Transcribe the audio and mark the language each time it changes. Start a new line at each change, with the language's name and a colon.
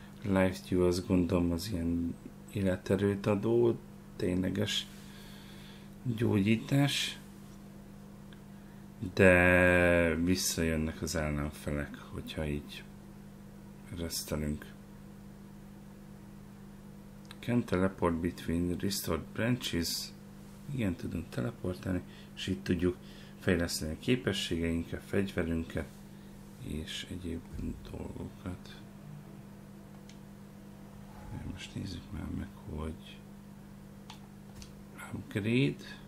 Hungarian: Life Dew azt gondolom az ilyen életerőt adó, tényleges gyógyítás. De visszajönnek az ellenfelek, hogyha így resztelünk.
English: Can teleport between restored branches.
Hungarian: Igen, tudunk teleportálni, és itt tudjuk fejleszteni a képességeinket, fegyverünket, és egyéb dolgokat. Most nézzük már meg, hogy upgrade.